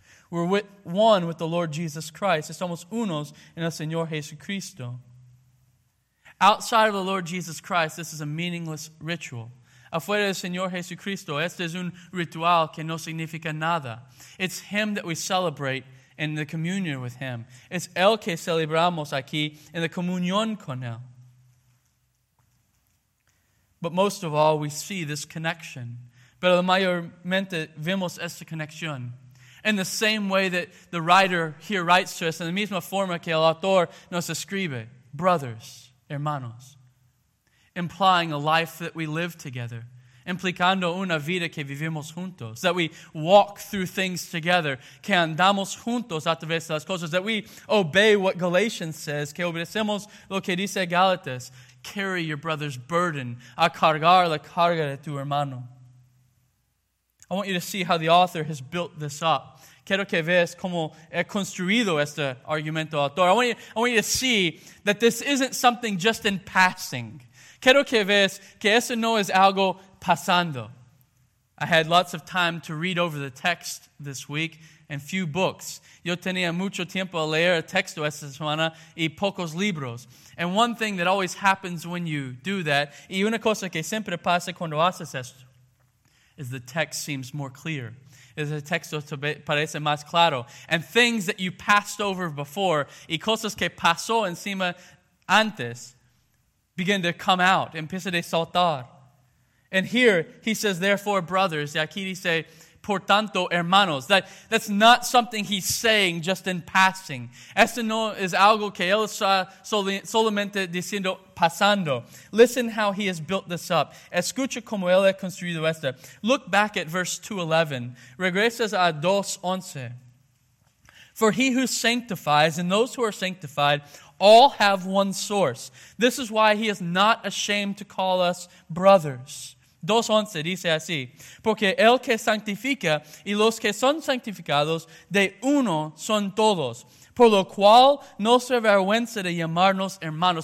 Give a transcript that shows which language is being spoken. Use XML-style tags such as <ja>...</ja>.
<en>We're with one with the Lord Jesus Christ.</en> <es>Estamos unos en el Señor Jesucristo.</es> <en>Outside of the Lord Jesus Christ, this is a meaningless ritual.</en> <es>Afuera del Señor Jesucristo, este es un ritual que no significa nada.</es> <en>It's Him that we celebrate in the communion with Him.</en> <es>It's Él que celebramos aquí en la comunión con Él.</es> <en>But most of all, we see this connection.</en> <es>Pero mayormente vemos esta conexión.</es> <en>In the same way that the writer here writes to us, in the</en> <es>misma forma que el autor nos escribe,</es> <en>brothers,</en> <es>hermanos.</es> <en>Implying a life that we live together.</en> <es>Implicando una vida que vivimos juntos.</es> <en>That we walk through things together.</en> <es>Que andamos juntos a través de las cosas.</es> <en>That we obey what Galatians says.</en> <es>Que obedecemos lo que dice Gálatas.</es> <en>Carry your brother's burden.</en> <es>A cargar la carga de tu hermano.</es> <en>I want you to see how the author has built this up.</en> <es>Quiero que veas cómo he construido este argumento autor.</es> <en>I want you to see that this isn't something just in passing.</en> <es>Quiero que veas que eso no es algo pasando.</es> <en>I had lots of time to read over the text this week and few books. Yo tenía mucho tiempo a leer el texto esta semana y pocos libros. And one thing that always happens when you do that,</en> <es>y una cosa que siempre pasa cuando haces esto,</es> <en>is the text seems more clear.</en> <es>Es el texto parece más claro.</es> <en>And things that you passed over before,</en> <es>y cosas que pasó encima antes, begin to come out. Empieza de saltar.</es> <en>And here, he says, therefore, brothers.</en> <es>Y aquí dice, por tanto, hermanos.</es> <en>That's not something he's saying just in passing.</en> <es>Esto no es algo que él está solamente diciendo pasando.</es> <en>Listen how he has built this up.</en> <es>Escucha como él ha construido esto.</es> <en>Look back at verse 2:11.</en> <es>Regresas a 2:11.</es> <en>For he who sanctifies and those who are sanctified all have one source. This is why he is not ashamed to call us brothers.</en> <es>2:11 dice así. Porque el que sanctifica y los que son sanctificados de uno son todos. Por lo cual no se avergüenza de llamarnos hermanos.</es>